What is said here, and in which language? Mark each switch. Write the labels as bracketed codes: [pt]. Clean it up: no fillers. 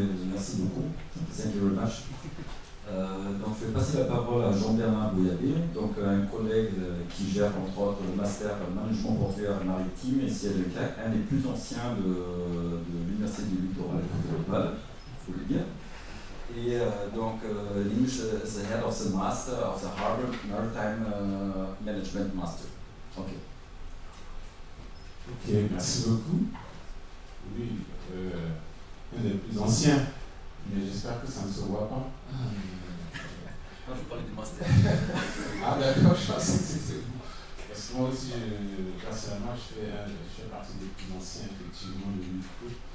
[fr] Okay, merci beaucoup. [en] Thank you very much. [fr] Donc, je vais passer la parole à Jean-Bernard Bouyabé, donc un collègue qui gère entre autres le master management portuaire maritime et c'est un des plus anciens de l'Université du Littoral de Val, vous le dire. Et donc, [en] Linus is the head of the master of the Harbor Maritime Management Master. [fr] Ok. Ok, merci beaucoup. Oui, un des plus anciens, mais j'espère que ça ne se voit pas. Non, je parlais du master. Ah d'accord, je pense que c'était vous. Parce que moi aussi, personnellement, je fais partie des plus anciens, effectivement, de l'UFCO.